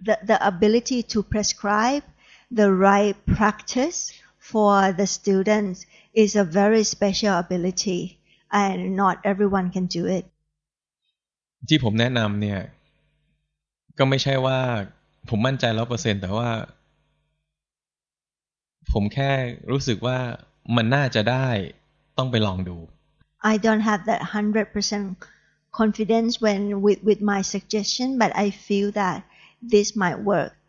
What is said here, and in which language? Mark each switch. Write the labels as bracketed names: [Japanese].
[English] The ability to prescribe the right practice for the students is a very special ability and not everyone can do it [Thai] ที่ผมแนะนำเนี่ยก็ไม่ใช่ว่าผมมั่นใจ 100% แต่ว่าผมแค่รู้สึกว่ามันน่าจะได้ต้องไปลองดู [English] I don't have that 100% confidence when with my suggestion, but I feel that this might work.